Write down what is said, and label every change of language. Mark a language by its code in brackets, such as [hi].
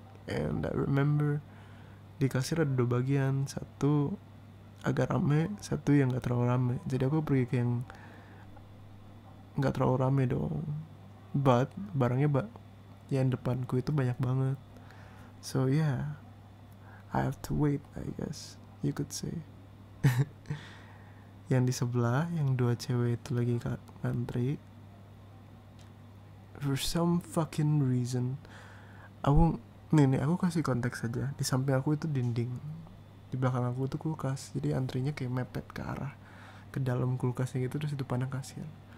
[en] And I remember [id] di kasir ada dua bagian, satu agak rame, satu yang gak terlalu rame. Jadi aku pergi ke yang gak terlalu rame dong. But barangnya yang depanku itu banyak banget. [en] So yeah, I have to wait, I guess you could say. [id] Yang di sebelah, yang dua cewek itu lagi ngantri. [en] For some fucking reason, [id] aku nih, aku kasih konteks aja. Di samping aku itu dinding, di belakang aku itu kulkas. Jadi antrinya kayak mepet ke arah ke dalam kulkasnya gitu, terus itu pandang kasihan.